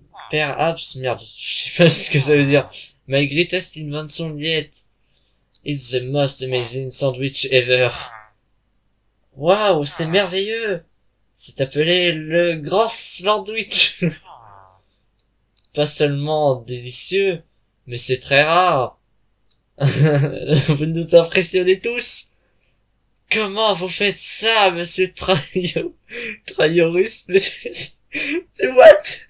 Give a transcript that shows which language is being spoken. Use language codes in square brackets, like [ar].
[fr] Perhaps, merde, je sais pas ce que ça veut dire. [en] My greatest invention yet. It's the most amazing sandwich ever. [fr] Wow, c'est merveilleux. C'est appelé le grand sandwich. Pas seulement délicieux, mais c'est très rare. Vous nous impressionnez tous. Comment vous faites ça, monsieur Traiorus, monsieur... C'est what?